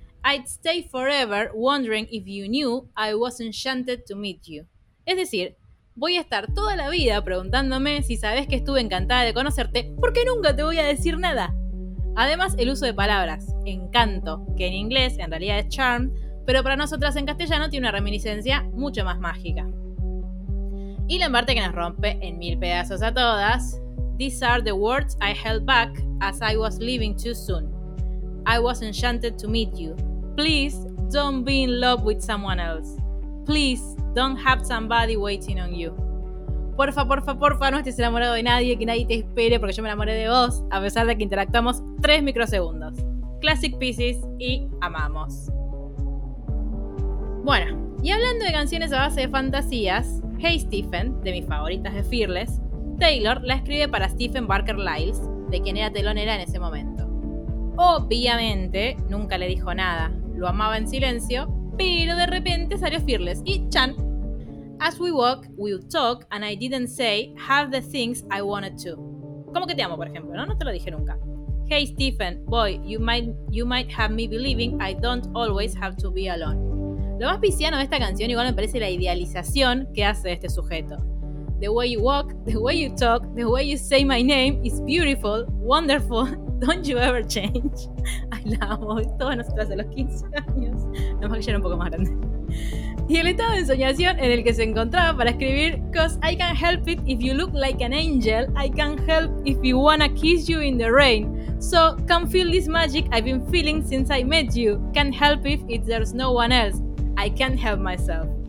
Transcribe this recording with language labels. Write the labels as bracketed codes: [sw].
[en] I'd stay forever wondering if you knew I was enchanted to meet you. [es] Es decir, voy a estar toda la vida preguntándome si sabes que estuve encantada de conocerte porque nunca te voy a decir nada. Además, el uso de palabras, encanto, que en inglés en realidad es charm, pero para nosotras en castellano tiene una reminiscencia mucho más mágica. Y la parte que nos rompe en mil pedazos a todas: [en] "These are the words I held back as I was leaving too soon. I was enchanted to meet you. Please don't be in love with someone else. Please don't have somebody waiting on you." [es] Porfa, porfa, porfa, no estés enamorado de nadie, que nadie te espere, porque yo me enamoré de vos, a pesar de que interactuamos 3 microsegundos. Classic Pisces y amamos. Bueno, y hablando de canciones a base de fantasías, Hey Stephen, de mis favoritas de Fearless, Taylor la escribe para Stephen Barker Lyles, de quien era telonera en ese momento. Obviamente, nunca le dijo nada, lo amaba en silencio, pero de repente salió Fearless y chan. [en] "As we walk, we talk, and I didn't say have the things I wanted to." [es] Como que te amo, por ejemplo, ¿no? No te lo dije nunca. [en] "Hey, Stephen, boy, you might have me believing I don't always have to be alone." [es] Lo más pisciano de esta canción igual me parece la idealización que hace este sujeto. [en] "The way you walk, the way you talk, the way you say my name is beautiful, wonderful, don't you ever change." [es] Ay, la amo, todas nosotras a los 15 años. No más que ya era un poco más grande. Y el estado de ensoñación en el que se encontraba para escribir [en] "'Cause I can help it if you look like an angel, I can help if you wanna kiss you in the rain, so come feel this magic I've been feeling since I met you, can't help if there's no one else, I can't help myself."